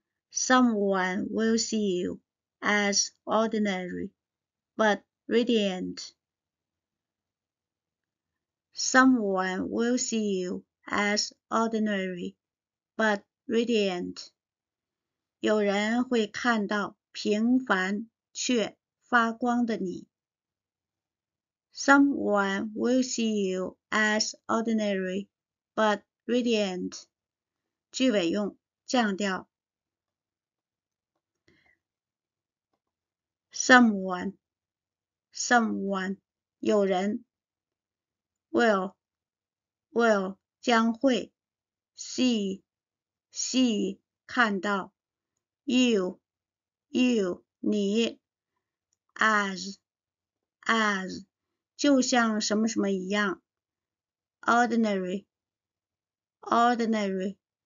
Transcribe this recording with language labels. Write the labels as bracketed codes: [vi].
[en] Someone will see you as ordinary but radiant. Someone will see you as ordinary but radiant. [zh] 有人会看到平凡却发光的你。 [en] Someone will see you as ordinary but radiant. [zh] 句尾用降调。 Someone, 有人 will 将会 see 看到 you 你 as 就像什么什么一样 ordinary